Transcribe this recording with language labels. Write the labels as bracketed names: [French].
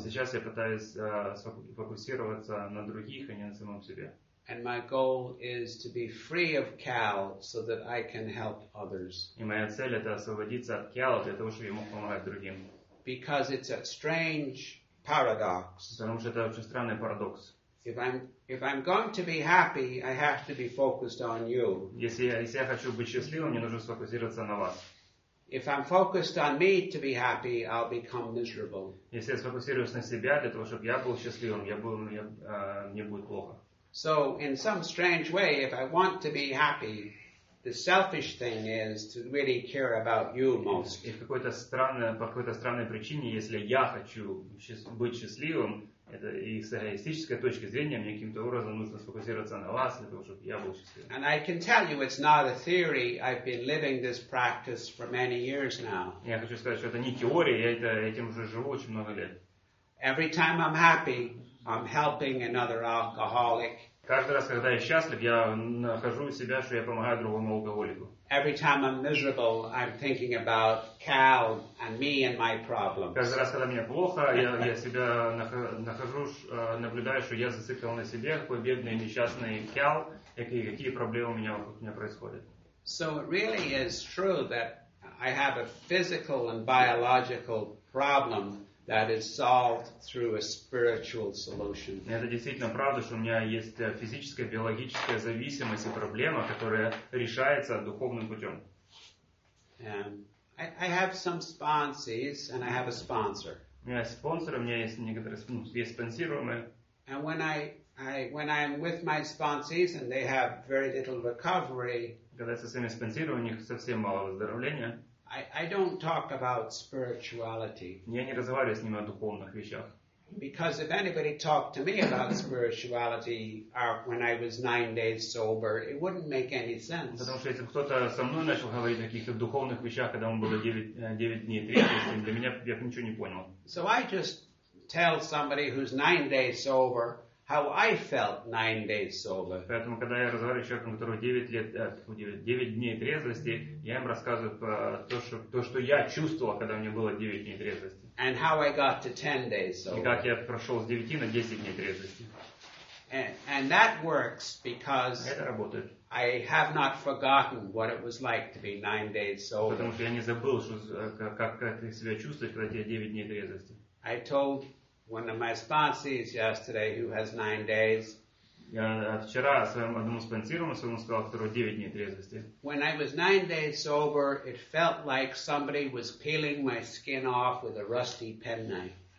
[Russian] Сейчас я пытаюсь фокусироваться на других, а не на самом себе. [English] And my goal is to be free of Cal so that I can help others. [Russian] И моя цель это освободиться от Кала для того, чтобы я мог помогать другим. [English] Because it's a strange paradox. [Russian] Потому что это очень странный парадокс. [English] If I'm going to be happy, I have to be focused on you. [Russian] Если я хочу быть счастливым, мне нужно сфокусироваться на вас. [English] If I'm focused on me to be happy, I'll become miserable. [Russian] Если я сфокусируюсь на себя для того, чтобы я был счастливым, мне будет плохо. [English] So in some strange way, if I want to be happy, the selfish thing is to really care about you most. [Russian] И по какой-то странной причине, если я хочу быть счастливым, это и с эгоистической точки зрения мне каким-то образом нужно сфокусироваться на вас для того, чтобы я был счастливым. [English] And I can tell you, it's not a theory. I've been living this practice for many years now. [Russian] Я хочу сказать, что это не теория, я этим уже живу очень много лет. [English] Every time I'm happy, I'm helping another alcoholic. [Russian] Каждый раз, когда я счастлив, я нахожу себя, что я помогаю другому алкоголику. [English] Every time I'm miserable, I'm thinking about Cal and me and my problems. [Russian] Каждый раз, когда мне плохо, я себя наблюдаю, что я зациклен на себе, какой бедный, несчастный Cal, какие проблемы у меня происходят. [English] So it really is true that I have a physical and biological problem that is solved through a spiritual solution. [Russian] Это действительно правда, что у меня есть физическая, биологическая зависимость и проблема, которая решается духовным путем. [English] I have some sponsors and I have a sponsor. [Russian] У меня есть спонсоры, у меня есть некоторые спонсируемые. [English] And when I am with my sponsors and they have very little recovery. [Russian] Когда со своими спонсируемыми у них совсем мало выздоровления. [English] I don't talk about spirituality. [Russian] Я не разговариваю с ними о духовных вещах. [English] Because if anybody talked to me about spirituality when I was 9 days sober, it wouldn't make any sense. [Russian] Потому что если кто-то со мной начал говорить о каких-то духовных вещах, когда ему было 9 дней, для меня я ничего не понял. [English] So I just tell somebody who's 9 days sober how I felt 9 days sober. [Russian] Поэтому, когда я разговариваю с человеком, у которого 9 дней трезвости, я им рассказываю про то, что я чувствовал, когда мне было 9 дней трезвости. [English] And how I got to 10 days sober. [Russian] И как я прошел с 9 на 10 дней трезвости. [English] And that works because [Russian] это работает. [English] I have not forgotten what it was like to be 9 days sober. [Russian] Потому что я не забыл, что как ты себя чувствуешь, когда тебе 9 дней трезвости. [English] I told one of my sponsees yesterday who has 9 days. [Russian] Я вчера одному спонсируемому сказал, который 9 дней трезвости. [English] When I was 9 days sober, it felt like somebody was peeling my skin off with a rusty penknife.